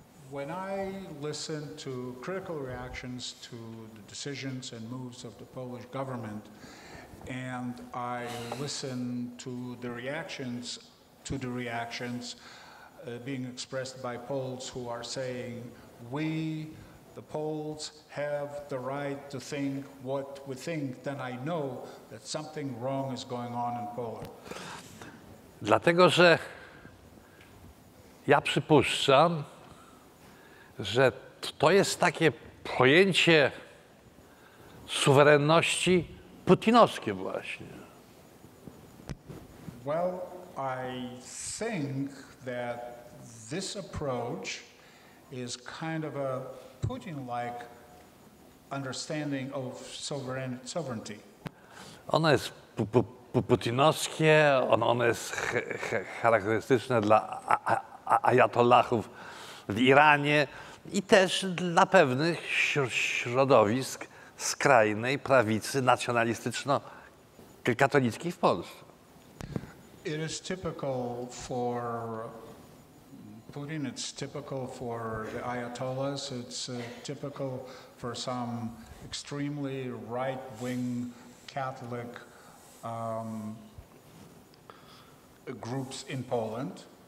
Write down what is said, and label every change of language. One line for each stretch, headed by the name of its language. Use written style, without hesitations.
English: When I listen to critical reactions to the decisions and moves of the Polish government, and I listen to the reactions being expressed by Poles who are saying, we, the Poles, have the right to think what we think, then I know that something wrong is going on in Poland.
Polish: Dlatego, że ja przypuszczam, że to jest takie pojęcie suwerenności putinowskie właśnie.
English: Well, I think that this approach is kind of a Putin-like understanding of sovereignty.
Polish: Ono jest putinowskie, ono jest charakterystyczne dla ajatollahów w Iranie i też dla pewnych środowisk skrajnej prawicy nacjonalistyczno-katolickiej w Polsce.
English: It is typical for Putin, it's typical for the Ayatollahs, it's typical for some extremely right-wing Catholic groups in Poland.